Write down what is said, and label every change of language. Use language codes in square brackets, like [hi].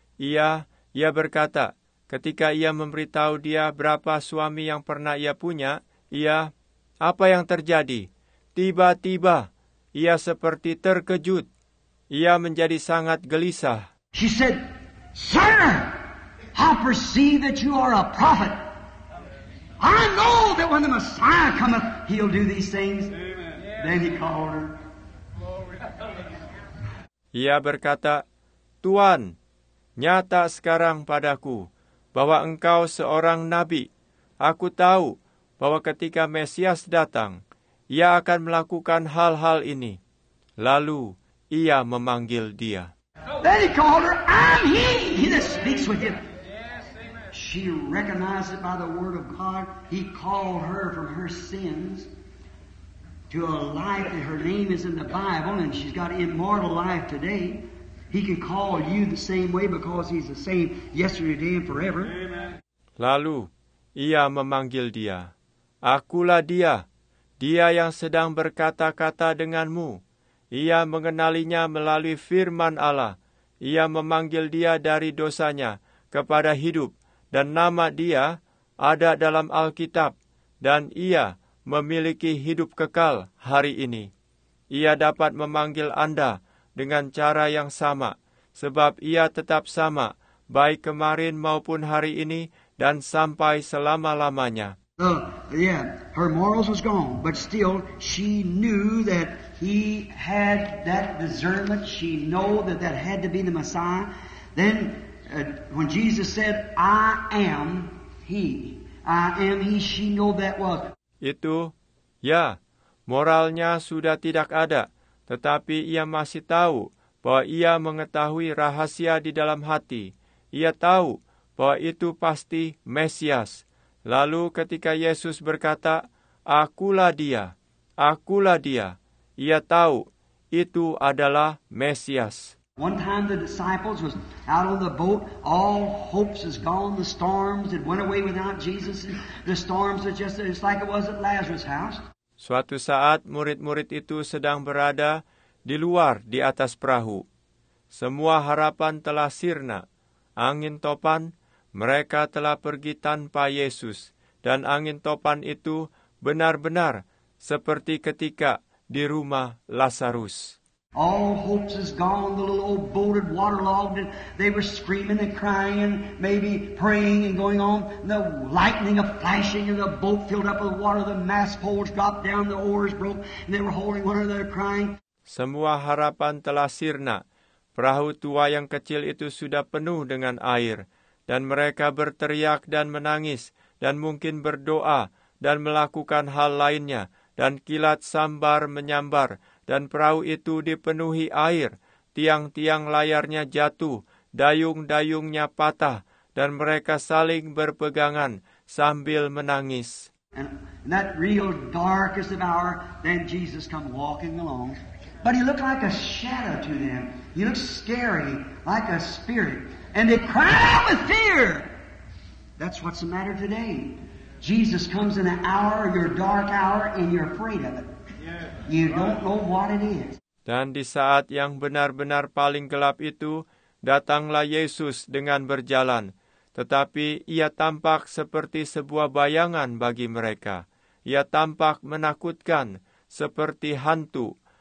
[id] Ia berkata, ketika ia memberitahu dia berapa suami yang pernah ia punya, ia, apa yang terjadi? Tiba-tiba, ia seperti terkejut. Ia menjadi sangat gelisah. [en] She said, sir, I perceive that you are a prophet. I know that when the Messiah cometh, he'll do these things. Amen. Then he called her. [id] Ia berkata, Tuan, nyata sekarang padaku bahwa engkau seorang nabi. Aku tahu bahwa ketika Mesias datang, ia akan melakukan hal-hal ini. Lalu ia memanggil dia. [en] Then he called her, I'm he. He that speaks with him. Yes, amen. She recognized it by the word of God. He called her from her sins to a life that her name is in the Bible, and she's got immortal life today. He can call you the same way because he's the same yesterday, today, and forever. [id] Lalu, ia memanggil dia. Akulah dia, dia yang sedang berkata-kata denganmu. Ia mengenalinya melalui firman Allah. Ia memanggil dia dari dosanya kepada hidup. Dan nama dia ada dalam Alkitab. Dan ia memiliki hidup kekal hari ini. Ia dapat memanggil Anda dengan cara yang sama, sebab ia tetap sama, baik kemarin maupun hari ini, dan sampai selama-lamanya. [en] Her morals was gone, but still she knew that he had that discernment. She knew that that had to be the Messiah. Then when Jesus said, I am he, she knew that was. [id] Itu, ya, moralnya sudah tidak ada. Tetapi ia masih tahu bahwa ia mengetahui rahasia di dalam hati. Ia tahu bahwa itu pasti Mesias. Lalu ketika Yesus berkata, akulah dia, akulah dia. Ia tahu itu adalah Mesias. [en] One time the disciples was out on the boat, all hopes is gone, the storms had went away without Jesus. The storms are just like it was at Lazarus' house. [id] Suatu saat murid-murid itu sedang berada di luar di atas perahu. Semua harapan telah sirna. Angin topan, mereka telah pergi tanpa Yesus. Dan angin topan itu benar-benar seperti ketika di rumah Lazarus. [en] All hopes is gone, the little old boat had waterlogged, and they were screaming and crying, maybe praying and going on, the lightning of flashing, and the boat filled up with water, the mast poles dropped down, the oars broke, and they were holding one another crying. [id] Semua harapan telah sirna. Perahu tua yang kecil itu sudah penuh dengan air, dan mereka berteriak dan menangis, dan mungkin berdoa, dan melakukan hal lainnya, dan kilat sambar menyambar, dan perahu itu dipenuhi air, tiang-tiang layarnya jatuh, dayung-dayungnya patah, dan mereka saling berpegangan sambil menangis. [en] In that real darkest of hour, then Jesus come walking along. But he looked like a shadow to them. He looked scary, like a spirit. And they cried out with fear. That's what's the matter today. Jesus comes in an hour, your dark hour, and you're afraid of it. You don't know what it is. [id] Dan di saat yang benar-benar paling gelap itu, datanglah Yesus dengan berjalan. Tetapi ia tampak seperti sebuah bayangan bagi mereka. Ia tampak menakutkan, seperti hantu.